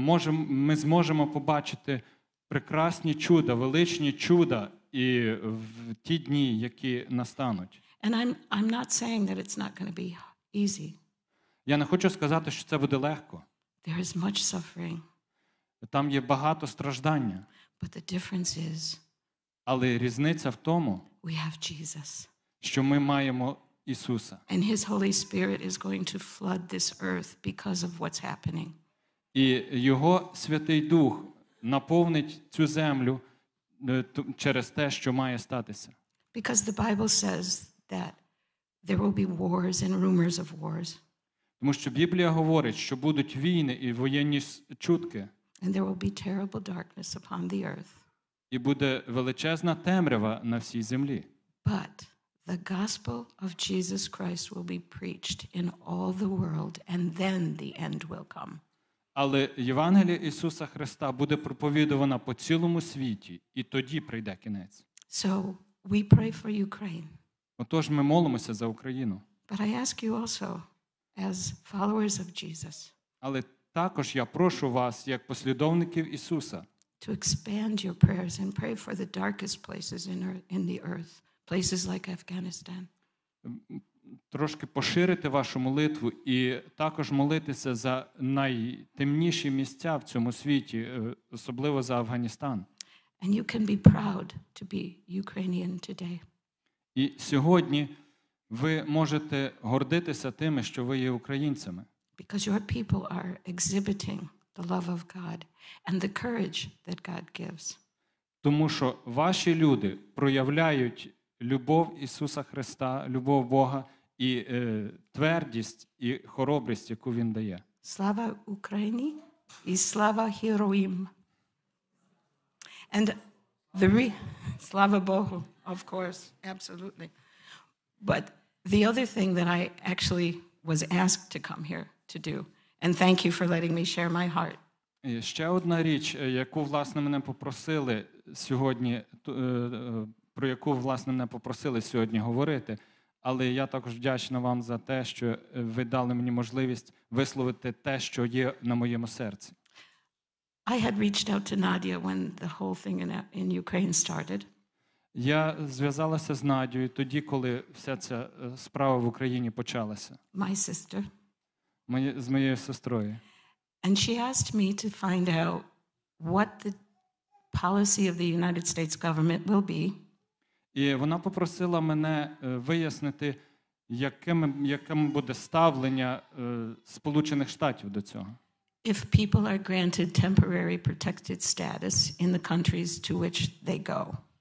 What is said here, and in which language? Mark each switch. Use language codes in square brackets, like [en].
[uk] Ми зможемо побачити прекрасні чуда, величні чуда і в ті дні, які настануть. [en] And I'm not saying that it's not going to be easy. [uk] Я не хочу сказати, що це буде легко. [en] There is much suffering. [uk] Там є багато страждання. [en] But the difference is, [uk] але різниця в тому, [en] we have Jesus. [uk] Що ми маємо Ісуса. [en] And his Holy Spirit is going to flood this earth because of what's happening. [uk] І його Святий Дух наповнить цю землю через те, що має статися. [en] Because the Bible says that there will be wars and rumors of wars. [uk] Тому що Біблія говорить, що будуть війни і воєнні чутки. [en] And there will be terrible darkness upon the earth. [uk] І буде величезна темрява на всій землі. [en] But the gospel of Jesus Christ will be preached in all the world and then the end will come. [uk] Але Євангеліє Ісуса Христа буде проповідувано по цілому світі, і тоді прийде кінець. [en] So, we pray for Ukraine. [uk] Отож, ми молимося за Україну. [en] But I ask you also, as followers of Jesus, [uk] але також я прошу вас, як послідовників Ісуса, [en] to expand your prayers and pray for the darkest places in the earth, places like Afghanistan. [uk] Трошки поширити вашу молитву і також молитися за найтемніші місця в цьому світі, особливо за Афганістан. [en] And you can be proud to be Ukrainian today. [uk] І сьогодні ви можете гордитися тими, що ви є українцями. [en] Because your people are exhibiting the love of God and the courage that God gives. [uk] Тому що ваші люди проявляють любов Ісуса Христа, любов Бога і твердість і хоробрість, яку він дає. Слава Україні і слава героям. [en] And [uk] слава Богу, [en] of course, absolutely. But the other thing that I actually was asked to come here to do, and thank you for letting me share my heart. [uk] Ще одна річ, яку власне мене попросили сьогодні, про яку власне мене попросили сьогодні говорити, але я також вдячна вам за те, що ви дали мені можливість висловити те, що є на моєму серці. [en] I had reached out to Nadia when the whole thing in Ukraine started. [uk] Я зв'язалася з Надією тоді, коли вся ця справа в Україні почалася. [en] My sister. [uk] З моєю сестрою. [en] And she asked me to find out what the policy of the United States government will be. [uk] І вона попросила мене вияснити, яким буде ставлення Сполучених Штатів до цього. [en] If people are granted temporary protected status in the countries to which they go.